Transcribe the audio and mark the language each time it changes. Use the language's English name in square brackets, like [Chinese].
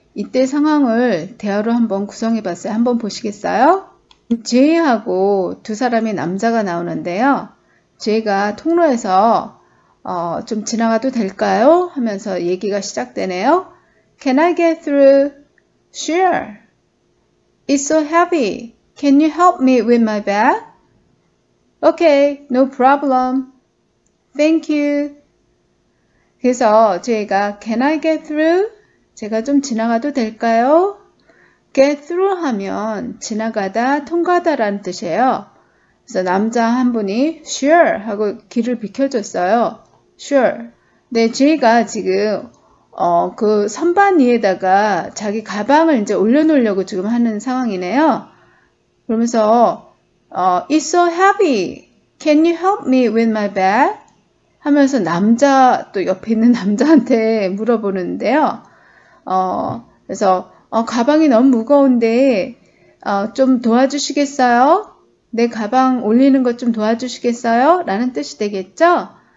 [Korean] 이때 상황을 대화로 한번 구성해 봤어요. 한번 보시겠어요? J하고 두 사람이 남자가 나오는데요. J가 통로에서 좀 지나가도 될까요? 하면서 얘기가 시작되네요. [English] Can I get through? Sure. It's so heavy. Can you help me with my bag? Okay, no problem. Thank you. [Korean] 그래서 제가 [English] Can I get through? [Korean] 제가 좀 지나가도 될까요? Get through 하면 지나가다, 통과하다라는 뜻이에요. 그래서 남자 한 분이 Sure 하고 길을 비켜줬어요. [English] Sure. [Korean] 네, 제가 지금 그 선반 위에다가 자기 가방을 이제 올려놓으려고 지금 하는 상황이네요. 그러면서, [English] It's so heavy. Can you help me with my bag? [Korean] 하면서 남자, 또 옆에 있는 남자한테 물어보는데요. 그래서, 가방이 너무 무거운데, 좀 도와주시겠어요? 내 가방 올리는 것좀 도와주시겠어요? 라는 뜻이 되겠죠?